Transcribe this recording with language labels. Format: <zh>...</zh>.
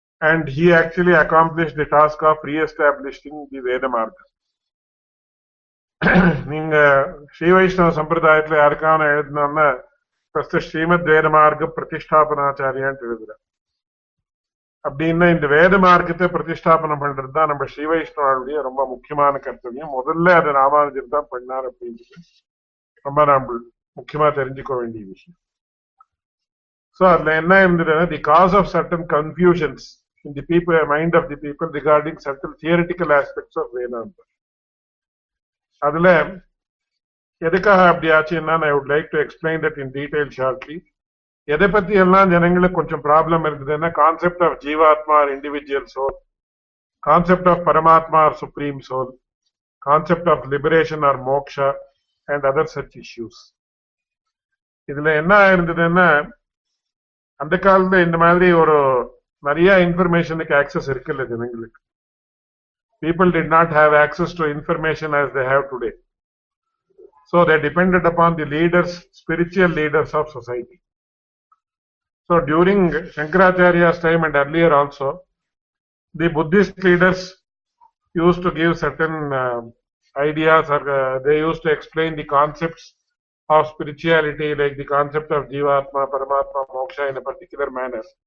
<en>And he actually accomplished the task of re-establishing the Veda Marga.</en> <ta>நீங்க ஸ்ரீ வைஷ்ணவ சம்பிரதாயத்துல யாருக்கான எழுதினா ஃபர்ஸ்ட் ஸ்ரீமத் வேத மார்க்க பிரதிஷ்டாபனாச்சாரியான்னு எழுதுற அப்படின்னா, இந்த வேத மார்க்கத்தை பிரதிஷ்டாபனம் பண்றது தான் நம்ம ஸ்ரீ வைஷ்ணவாளுடைய ரொம்ப முக்கியமான கர்த்தவியம். முதல்ல அது ராமானுஜர் தான் பண்ணார் அப்படின்றது ரொம்ப நாம் முக்கியமா தெரிஞ்சுக்க வேண்டிய விஷயம்.</ta> <en>so</en> <ta>அதுல என்ன இருந்ததுன்னா,</ta> <en>The cause of certain confusions in the people mind of the people regarding certain theoretical aspects of Vedanta.</en> <ta>அதுல எதுக்காக அப்படி ஆச்சுன்னா,</ta> <en>I would like to explain that in detail shortly.</en> <ta>எதை பத்தி எல்லாம் ஜனங்களுக்கு கொஞ்சம் ப்ராப்ளம் இருக்குதுன்னா,</ta> <en>Concept of jivatma or individual soul, concept of paramatma or supreme soul, concept of liberation or moksha and other such issues.</en> <ta>இதுல என்ன இருந்ததுன்னா, அந்த காலத்துல இந்த மாதிரி ஒரு நிறைய இன்ஃபர்மேஷனுக்கு ஆக்சஸ் இருக்குல்ல ஜனங்களுக்கு.</ta> <en>People did not have access to information as they have today. So they depended upon the leaders, spiritual leaders of society. So during Shankaracharya's time and earlier also, the Buddhist leaders used to give certain ideas, or they used to explain the concepts of spirituality, like the concept of Jivatma, Paramatma, Moksha in a particular manner.</en>